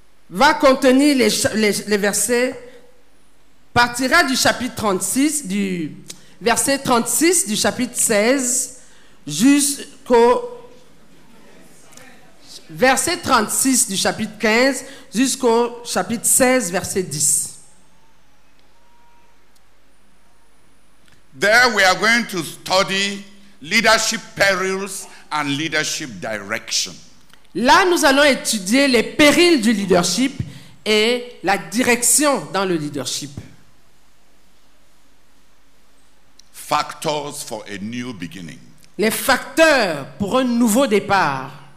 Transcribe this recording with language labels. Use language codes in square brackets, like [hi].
[fr] Va contenir les versets, partira du chapitre 36, du verset 36 du chapitre 16 jusqu'au verset 36 du chapitre 15 jusqu'au chapitre 16 verset 10. [en] There we are going to study leadership perils and leadership direction. [fr] Là, nous allons étudier les périls du leadership et la direction dans le leadership. [en] Factors for a new beginning. [fr] Les facteurs pour un nouveau départ.